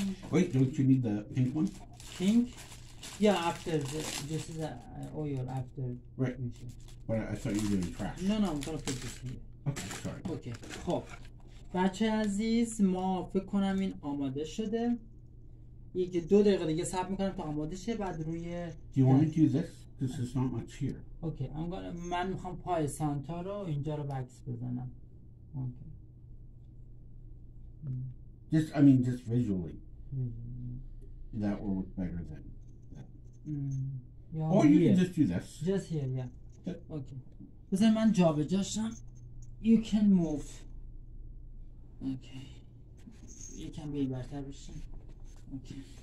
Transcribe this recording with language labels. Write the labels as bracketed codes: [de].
[en] Wait, don't you need the pink one? Pink? Yeah, after the, this is oil after. Right. Mission. But I thought you were doing trash. No, no, I'm gonna put this here. Okay, sorry. Okay. خب. [fa] بچه عزیز ما فکر کنم این آماده شده. یک دو دقیقه دیگه صبر میکنم تا آماده شه بعد روی [en] Do you want to do this? This is not much here. Okay, I'm gonna [fa] من میخوام پای سانتا رو اینجا رو بکس بزنم. [en] Okay. Just I mean just visually. Mm-hmm. That will look better than that. Yeah, or you can just do this. Just here, yeah. Okay. Because okay. [fa] من جا به جاشم. [en] You can move. Okay. You can be better. Okay.